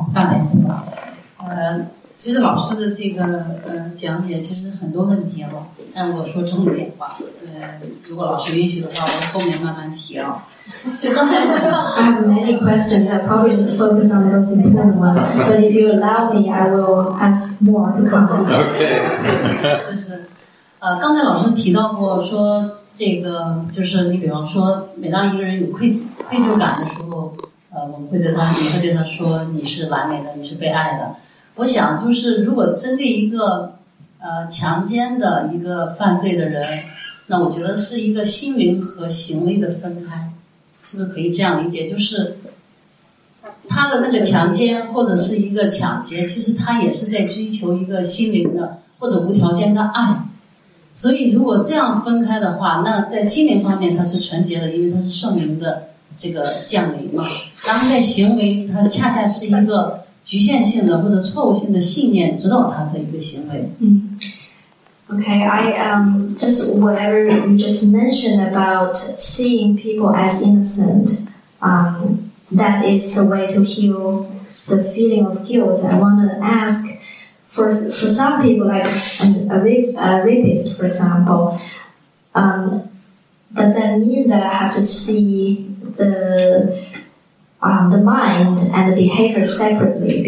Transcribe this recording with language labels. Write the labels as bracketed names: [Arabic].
[Chinese] 这儿，就是只有一个麦谁拿麦谁来听。我来说呗，这个没什么。哦，大点声吧。其实老师的这个讲解其实很多问题了，但我说重点吧。如果老师允许的话，我后面慢慢提啊。 [English] I have many questions. I probably should focus on the most important one. But if you allow me, I will have more to come. Okay. [Chinese] 就是，刚才老师提到过说，这个就是你比方说，每当一个人有愧疚感的时候，我们会对他说你是完美的，你是被爱的。我想就是，如果针对一个强奸的一个犯罪的人，那我觉得是一个心灵和行为的分开。是不是可以这样理解，就是他的那个强奸或者是一个抢劫，其实他也是在追求一个心灵的或者无条件的爱。所以如果这样分开的话，那在心灵方面它是纯洁的，因为它是圣灵的这个降临嘛。然后在行为，它恰恰是一个局限性的或者错误性的信念指导它的一个行为。 [English] Okay, I just whatever you just mentioned about seeing people as innocent, that is the way to heal the feeling of guilt. I want to ask, for some people, like a rapist, for example, does that mean that I have to see the mind and the behavior separately?